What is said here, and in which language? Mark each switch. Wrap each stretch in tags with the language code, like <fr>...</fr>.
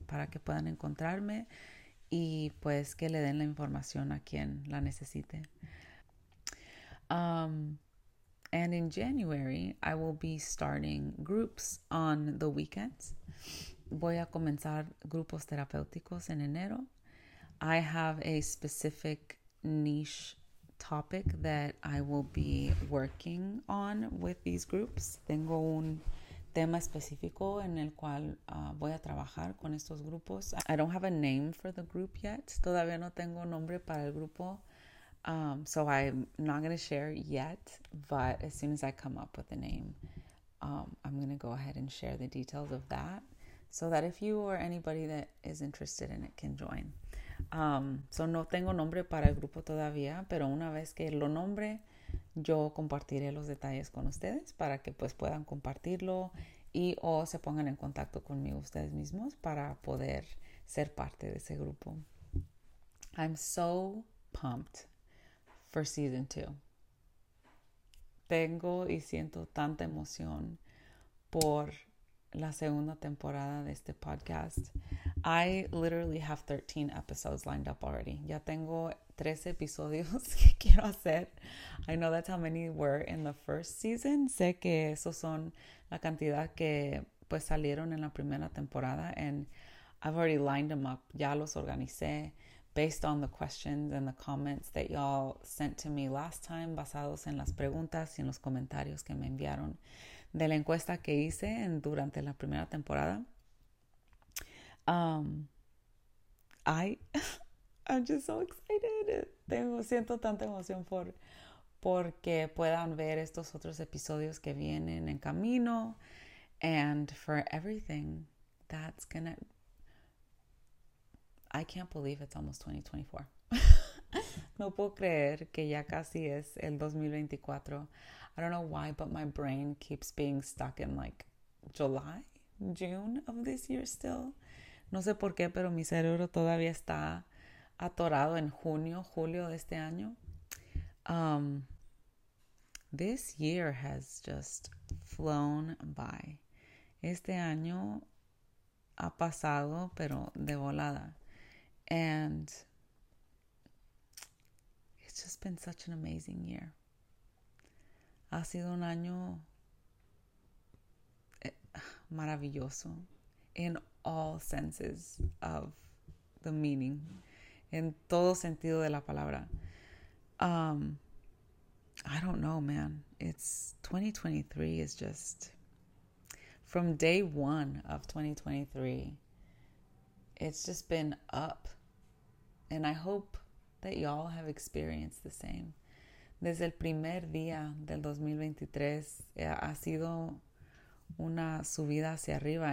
<es>Para que puedan encontrarme y pues que le den la información a quien la necesite.</es> <en>And in January, I will be starting groups on the weekends.</en> <es>Voy a comenzar grupos terapéuticos en enero.</es> <en>I have a specific niche topic that I will be working on with these groups.</en> <es>Tengo un tema específico en el cual voy a trabajar con estos grupos.</es> <en>I don't have a name for the group yet.</en> <es>Todavía no tengo nombre para el grupo.</es> <en>So I'm not going to share yet, but as soon as I come up with a name, I'm going to go ahead and share the details of that so that if you or anybody that is interested in it can join.</en> <es>So no tengo nombre para el grupo todavía, pero una vez que lo nombre, yo compartiré los detalles con ustedes para que pues puedan compartirlo y o se pongan en contacto conmigo ustedes mismos para poder ser parte de ese grupo.</es> <en>I'm so pumped for season 2.</en> <es>Tengo y siento tanta emoción por la segunda temporada de este podcast.</es> <en>I literally have 13 episodes lined up already.</en> <es>Ya tengo 13 episodios que quiero hacer.</es> <en>I know that's how many were in the first season.</en> <es>Sé que esos son la cantidad que pues salieron en la primera temporada.</es> <en>And I've already lined them up.</en> <es>Ya los organicé</es> <en>based on the questions and the comments that y'all sent to me last time,</en> <es>basados en las preguntas y en los comentarios que me enviaron de la encuesta que hice durante la primera temporada.</es> <en>I'm just so excited.</en> <es>Siento tanta emoción porque puedan ver estos otros episodios que vienen en camino.</es> <en>And for everything that's gonna. I can't believe it's almost 2024.</en> <es>No puedo creer que ya casi es el 2024.</es> <en>I don't know why, but my brain keeps being stuck in like July, June of this year still.</en> <es>No sé por qué, pero mi cerebro todavía está atorado en junio, julio de este año.</es> <en>This year has just flown by.</en> <es>Este año ha pasado, pero de volada.</es> <en>And it's just been such an amazing year.</en> <es>Ha sido un año maravilloso</es> <en>in all senses of the meaning,</en> <es>en todo sentido de la palabra.</es> <en>I don't know, man. It's 2023 is just from day one of 2023, it's just been up. And I hope that y'all have experienced the same.</en> <es>Desde el primer día del 2023 ha sido una subida hacia arriba.</es>